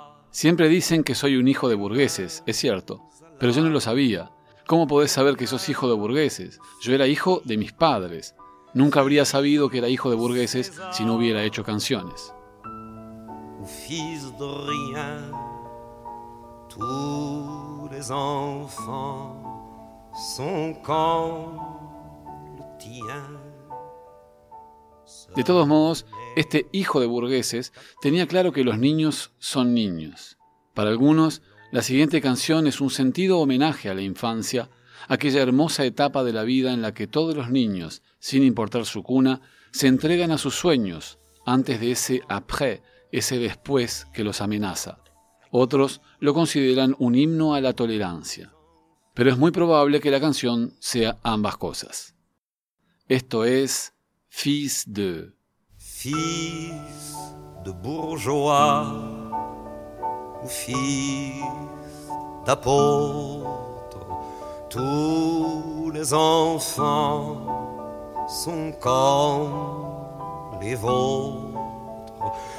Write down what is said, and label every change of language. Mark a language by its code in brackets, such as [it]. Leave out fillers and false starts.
[es] Siempre dicen que soy un hijo de burgueses, es cierto, pero yo no lo sabía. ¿Cómo podés saber que sos hijo de burgueses? Yo era hijo de mis padres. Nunca habría sabido que era hijo de burgueses si no hubiera hecho canciones. [fr] Fils de rien, tous les enfants sont comme le tien. [es] De todos modos, este hijo de burgueses tenía claro que los niños son niños. Para algunos, la siguiente canción es un sentido homenaje a la infancia, aquella hermosa etapa de la vida en la que todos los niños, sin importar su cuna, se entregan a sus sueños antes de ese après, ese después que los amenaza. Otros lo consideran un himno a la tolerancia. Pero es muy probable que la canción sea ambas cosas. Esto es Fils de... [fr] Fils de bourgeois ou fils d'apôtre, tous les enfants sont comme les vôtres.